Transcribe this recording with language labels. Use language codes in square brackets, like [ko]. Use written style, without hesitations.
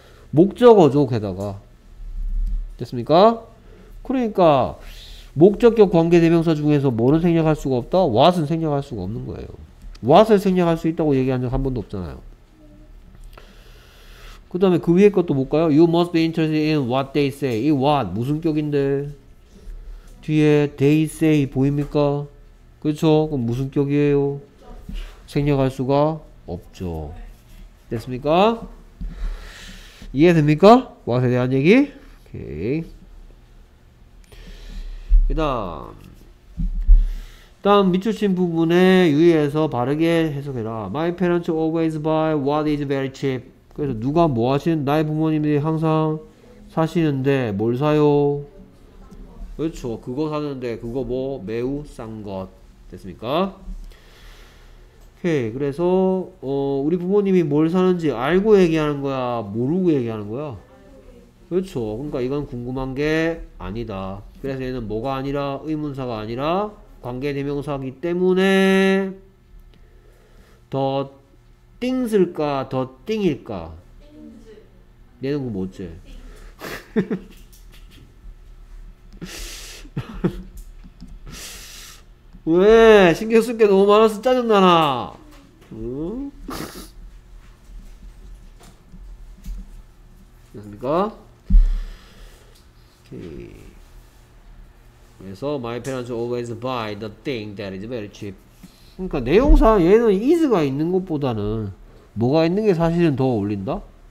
[ko] 목적어죠, 게다가. 됐습니까? 그러니까 목적격 관계대명사 중에서 뭐를 생략할 수가 없다? what은 생략할 수가 없는 거예요. what을 생략할 수 있다고 얘기한 적 한 번도 없잖아요. 그 다음에 그 위에 것도 볼까요? [en] You must be interested in what they say. [ko] 이 what 무슨 격인데? 뒤에 [en] they say [ko] 보입니까? 그렇죠? 그럼 무슨 격이에요? 생략할 수가 없죠. 됐습니까? 이해됩니까? what에 대한 얘기? 오케이. 그 다음 밑줄친 부분에 유의해서 바르게 해석해라. [en] My parents always buy what is very cheap. [ko] 그래서 누가 뭐 하시는, 나의 부모님들이 항상 사시는데 뭘 사요? 그렇죠. 그거 사는데 그거 뭐 매우 싼 것. 됐습니까? 오케이. 그래서 우리 부모님이 뭘 사는지 알고 얘기하는 거야? 모르고 얘기하는 거야? 그렇죠. 그러니까 이건 궁금한 게 아니다. 그래서 얘는 뭐가 아니라 의문사가 아니라 관계대명사이기 때문에 더 띵쓸까 더 띵일까? 띵즈. 얘는 그 뭐지? 왜 신경 쓸 게 너무 많아서 짜증나나? 됐습니까? 그래서 [en] my parents always buy the thing that is very cheap. [ko] 그러니까 내용상 얘는 is가 있는 것보다는 뭐가 있는 게 사실은 더 어울린다?